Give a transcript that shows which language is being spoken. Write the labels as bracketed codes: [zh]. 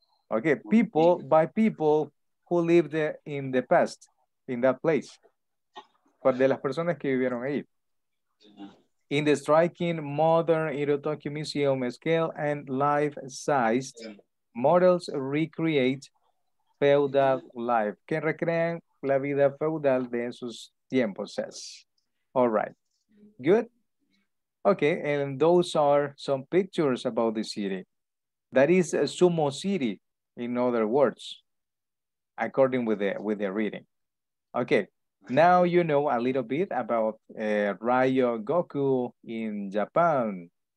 [en] Okay, people who lived in the past in that place. But [es] de las personas que vivieron ahí. [en] In the striking modern Irotoki Museum scale and life-sized models recreate feudal life. [es] Que recrean la vida feudal de esos tiempos. [en] All right. Good? Okay, and those are some pictures about the city. That is a sumo city, in other words, according with the reading. Okay. Now you know a little bit about Ryo Goku in Japan.